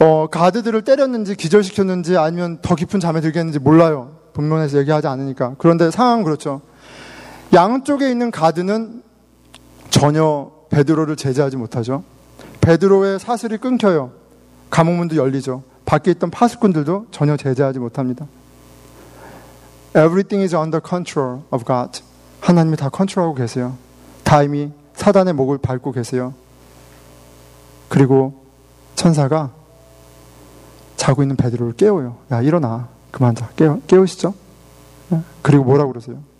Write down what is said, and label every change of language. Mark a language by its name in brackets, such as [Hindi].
[Korean] 가드들을 때렸는지 기절시켰는지 아니면 더 깊은 잠에 들게 했는지 몰라요. 본문에서 얘기하지 않으니까. 그런데 상황은 그렇죠. 양쪽에 있는 가드는 전혀 베드로를 제재하지 못하죠. 베드로의 사슬이 끊겨요. 감옥문도 열리죠. 밖에 있던 파수꾼들도 전혀 제재하지 못합니다. [English] Everything is under control of God. [Korean] 하나님이 다 컨트롤하고 계세요. 다 이미 사단의 목을 밟고 계세요. 그리고 천사가 자고 있는 베드로를 깨워요. 야, 일어나. 그만 자. 깨우시죠? 그리고 뭐라고 그러세요?